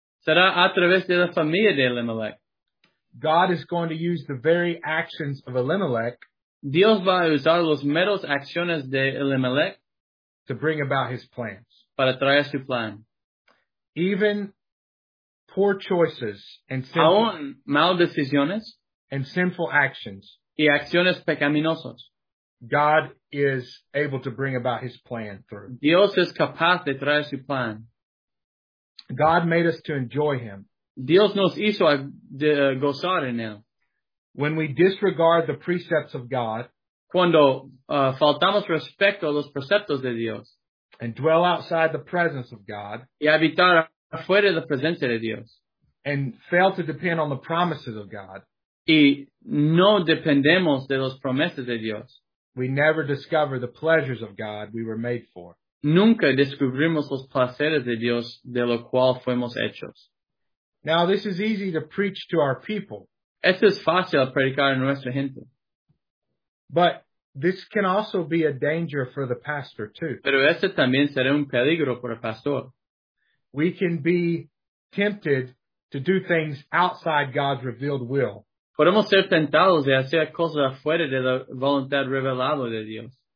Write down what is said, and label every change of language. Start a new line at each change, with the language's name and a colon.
Spanish: Será a través de la familia de Elimelech.
English: God is going to use the very actions of Elimelech.
Spanish: Dios va a usar los meros acciones de Elimelech
English: to bring about his plans.
Spanish: Para traer su plan.
English: Even poor choices and sinful,
Spanish: aún mal decisiones
English: and sinful actions.
Spanish: Y acciones pecaminosas.
English: God is able to bring about his plan through.
Spanish: Dios es capaz de traer su plan.
English: God made us to enjoy him.
Spanish: Dios nos hizo gozar en él.
English: When we disregard the precepts of God,
Spanish: cuando faltamos respeto a los preceptos de Dios,
English: and dwell outside the presence of God,
Spanish: y habitar afuera de la presencia de Dios,
English: and fail to depend on the promises of God,
Spanish: y no dependemos de las promesas de Dios,
English: we never discover the pleasures of God we were made for.
Spanish: Nunca descubrimos los placeres de Dios de lo cual fuimos hechos.
English: Now this is easy to preach to our people.
Spanish: Esto es fácil predicar a nuestra gente.
English: But this can also be a danger for the pastor too.
Spanish: Pero esto también será un peligro para el pastor.
English: We can be tempted to do things outside God's revealed will.
Spanish: Podemos ser tentados de hacer cosas afuera de la voluntad revelada de Dios.